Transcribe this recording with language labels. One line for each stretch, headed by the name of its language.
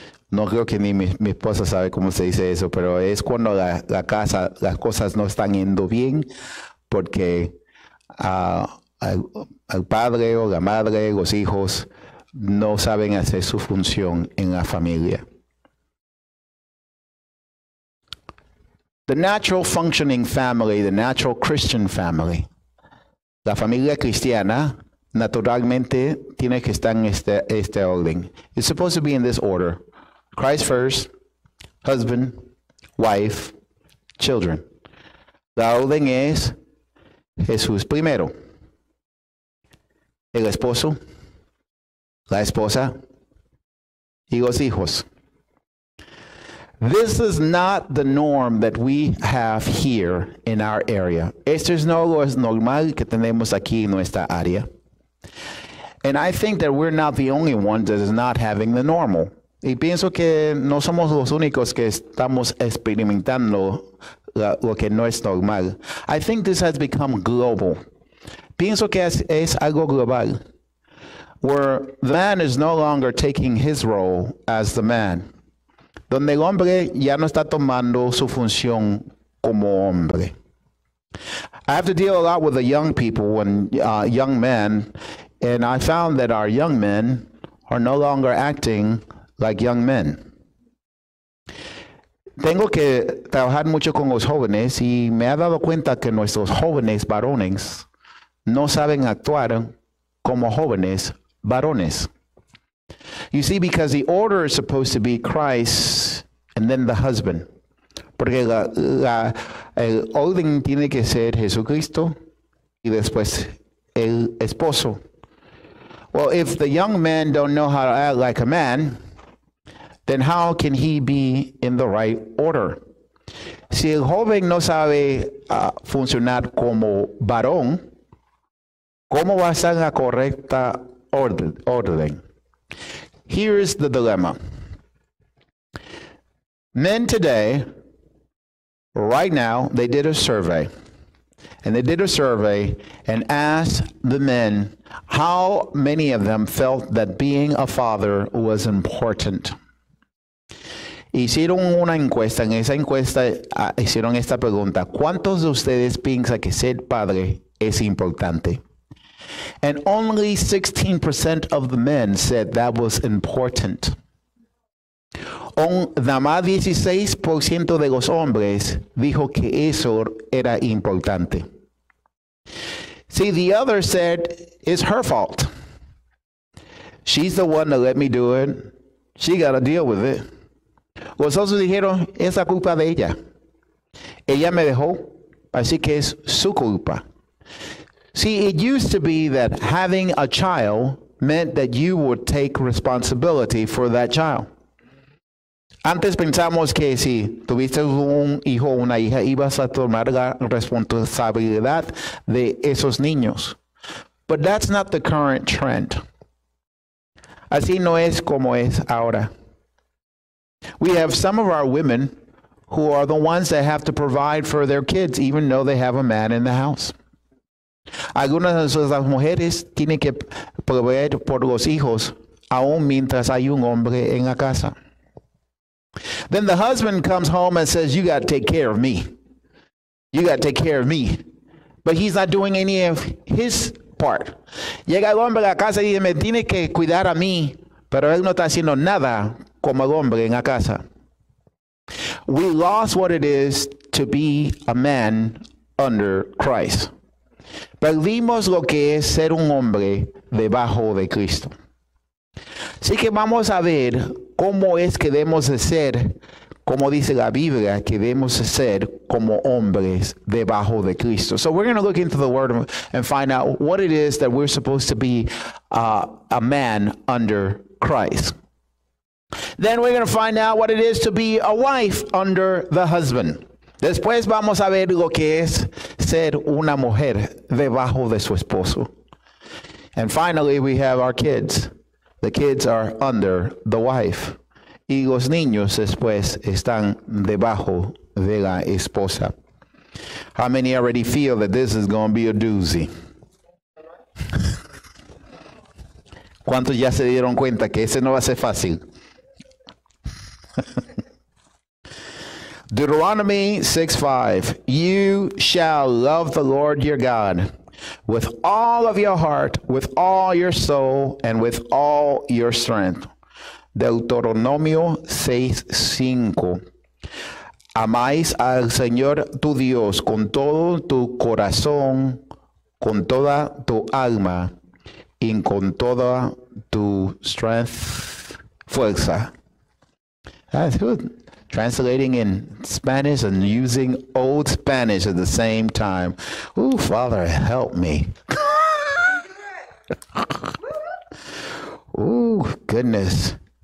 Spanish: No creo que ni mi esposa sabe cómo se dice eso, pero es cuando la casa, las cosas no están yendo bien porque al padre o la madre, los hijos, no saben hacer su función en la familia.
English: The natural functioning family, the natural Christian family.
Spanish: La familia cristiana, naturalmente, tiene que estar en este orden.
English: It's supposed to be in this order. Christ first, husband, wife, children.
Spanish: La orden es Jesús primero. El esposo, la esposa, y los hijos.
English: This is not the norm that we have here in our area.
Spanish: Esto no es normal que tenemos aquí en nuestra área.
English: And I think that we're not the only one that is not having the normal.
Spanish: Y pienso que no somos los únicos que estamos experimentando lo que no es normal.
English: I think this has become global.
Spanish: Pienso que es algo global,
English: where the man is no longer taking his role as the man.
Spanish: Donde el hombre ya no está tomando su función como hombre.
English: I have to deal a lot with the young people and young men, and I found that our young men are no longer acting like young men.
Spanish: Tengo que trabajar mucho con los jóvenes y me he dado cuenta que nuestros jóvenes varones no saben actuar como jóvenes varones.
English: You see, because the order is supposed to be Christ and then the husband.
Spanish: Porque el orden tiene que ser Jesucristo y después el esposo.
English: Well, if the young man don't know how to act like a man, then how can he be in the right order?
Spanish: Si el joven no sabe funcionar como varón, ¿cómo va a estar en la correcta orden?
English: Here is the dilemma. Men today, right now, they did a survey. And they did a survey and asked the men how many of them felt that being a father was important.
Spanish: Hicieron una encuesta. En esa encuesta hicieron esta pregunta. ¿Cuántos de ustedes piensan que ser padre es importante?
English: And only 16% of the men said that was important.
Spanish: Nada más 16% de los hombres dijo que eso era importante.
English: See, the other said, it's her fault. She's the one that let me do it. She got to deal with it.
Spanish: Los otros dijeron, es la culpa de ella. Ella me dejó, así que es su culpa.
English: See, it used to be that having a child meant that you would take responsibility for that child.
Spanish: Antes pensamos que si tuviste un hijo o una hija, ibas a tomar la responsabilidad de esos niños.
English: But that's not the current trend.
Spanish: Así no es como es ahora.
English: We have some of our women who are the ones that have to provide for their kids, even though they have a man in the house.
Spanish: Algunas de esas mujeres tienen que proveer por los hijos aún mientras hay un hombre en la casa.
English: Then the husband comes home and says, you got to take care of me. You got to take care of me. But he's not doing any of his part.
Spanish: Llega el hombre a la casa y dice, me tiene que cuidar a mí. Pero él no está haciendo nada como el hombre en la casa.
English: We lost what it is to be a man under Christ.
Spanish: Perdimos lo que es ser un hombre debajo de Cristo. Así que vamos a ver cómo es que debemos de ser, como dice la Biblia, que debemos de ser como hombres debajo de Cristo.
English: So we're going to look into the Word and find out what it is that we're supposed to be a man under Christ. Then we're going to find out what it is to be a wife under the husband.
Spanish: Después vamos a ver lo que es ser una mujer debajo de su esposo.
English: And finally, we have our kids. The kids are under the wife.
Spanish: Y los niños después están debajo de la esposa.
English: How many already feel that this is going to be a doozy?
Spanish: ¿Cuántos ya se dieron cuenta que ese no va a ser fácil?
English: Deuteronomy 6:5, you shall love the Lord your God with all of your heart, with all your soul, and with all your strength.
Spanish: Deuteronomio 6:5. Amáis al Señor tu Dios con todo tu corazón, con toda tu alma, y con toda tu strength, fuerza.
English: That's good. Translating in Spanish and using old Spanish at the same time. Oh, Father, help me. Oh, goodness.